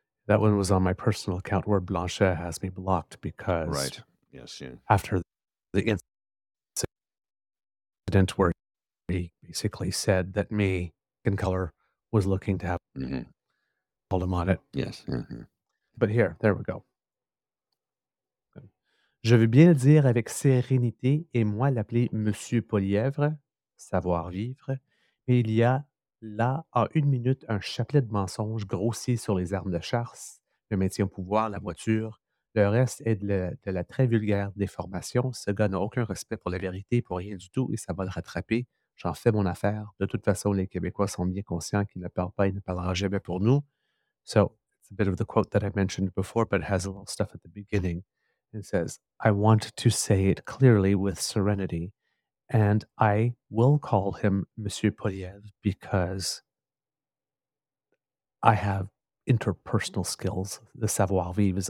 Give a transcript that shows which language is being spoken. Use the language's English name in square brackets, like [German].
[English] That one was on my personal account where Blanchet has me blocked because after the incident where he basically said that me, in color, was looking to have hold him on it. Yes. Mm-hmm. But here, there we go. [French] Je veux bien dire avec sérénité et moi l'appeler Monsieur Poilievre, savoir vivre, mais il y a là, à une minute, un chapelet de mensonges grossier sur les armes de chasse, le maintien au pouvoir, la voiture. Le reste est de la très vulgaire déformation. Ce gars n'a aucun respect pour la vérité, pour rien du tout, et ça va le rattraper. J'en fais mon affaire. De toute façon, les Québécois sont bien conscients qu'il ne parle pas et ne parlera jamais pour nous. [English] So, it's a bit of the quote that I mentioned before, but it has a little stuff at the beginning. It says, I want to say it clearly with serenity. And I will call him Monsieur Poilievre because I have interpersonal skills, the savoir vivre.